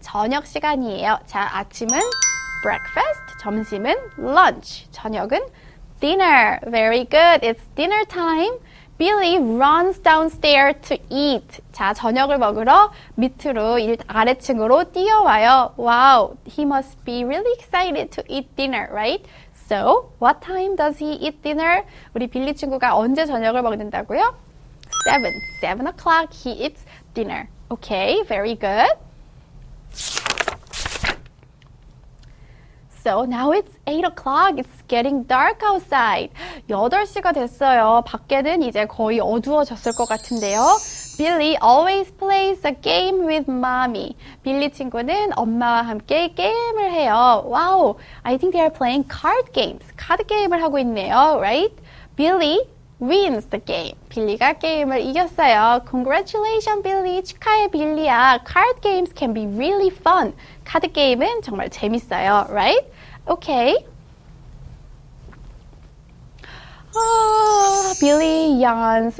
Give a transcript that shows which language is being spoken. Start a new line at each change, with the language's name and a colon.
Korean: 저녁 시간이에요. 자, 아침은 breakfast, 점심은 lunch, 저녁은 dinner.
English: Very good. It's dinner time. Billy runs downstairs to eat.
Korean: 자, 저녁을 먹으러 밑으로, 아래층으로 뛰어와요.
English: Wow, he must be really excited to eat dinner, right? So, what time does he eat dinner?
Korean: 우리 빌리 친구가 언제 저녁을 먹는다고요?
English: 7 o'clock, he eats dinner. Okay, very good. So now it's 8 o'clock. It's getting dark outside.
Korean: 8시가 됐어요. 밖에는 이제 거의 어두워졌을 것 같은데요.
English: Billy always plays a game with mommy.
Korean: 빌리 친구는 엄마와 함께 게임을 해요.
English: Wow, I think they are playing card games.
Korean: 카드 게임을 하고 있네요,
English: right? Billy wins the game.
Korean: 빌리가 게임을 이겼어요.
English: Congratulations, Billy.
Korean: 축하해, 빌리야.
English: Card games can be really fun.
Korean: 카드 게임은 정말 재밌어요.
English: Right? Okay. Oh, Billy yawns.